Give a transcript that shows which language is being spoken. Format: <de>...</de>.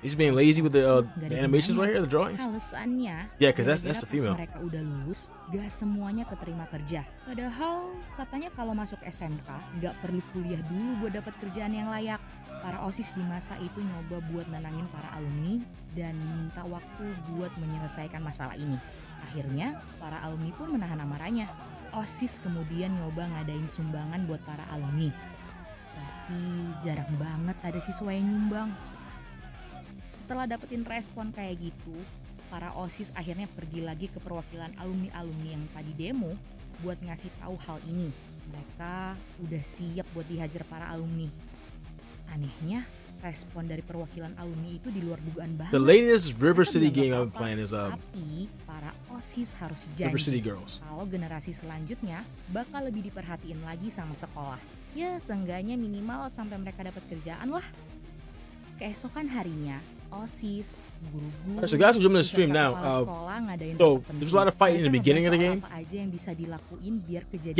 <en>He's being lazy with the animations right here, the drawings.</en> <id>Alasannya?</id> <en>Yeah, because that's the female.</en> <id>Mereka udah lulus, gak semuanya keterima kerja. Padahal katanya kalau masuk SMK gak perlu kuliah dulu buat dapat kerjaan yang layak. Para OSIS di masa itu nyoba buat nenangin para alumni dan minta waktu buat menyelesaikan masalah ini. Akhirnya, para alumni pun menahan amarahnya. OSIS kemudian nyoba ngadain sumbangan buat para alumni. Tapi jarang banget ada siswa yang nyumbang. Setelah dapetin respon kayak gitu, para OSIS akhirnya pergi lagi ke perwakilan alumni-alumni yang tadi demo buat ngasih tahu hal ini. Mereka udah siap buat dihajar para alumni. Anehnya, respon dari perwakilan alumni itu di luar dugaan banget.</id> <en>The latest River City game I'm playing is</en> <id>Tapi para OSIS harus janji</id> <en>River City Girls.</en> <id>Kalau generasi selanjutnya bakal lebih diperhatiin lagi sama sekolah. Ya, seenggaknya minimal sampai mereka dapat kerjaan lah. Keesokan harinya, OSIS, guru-guru.</id> <en>So guys, we're jumping in the stream now. So there's a lot of fighting in the beginning of the game.</en> <id>Apa aja yang bisa dilakuin biar kejadian?</id>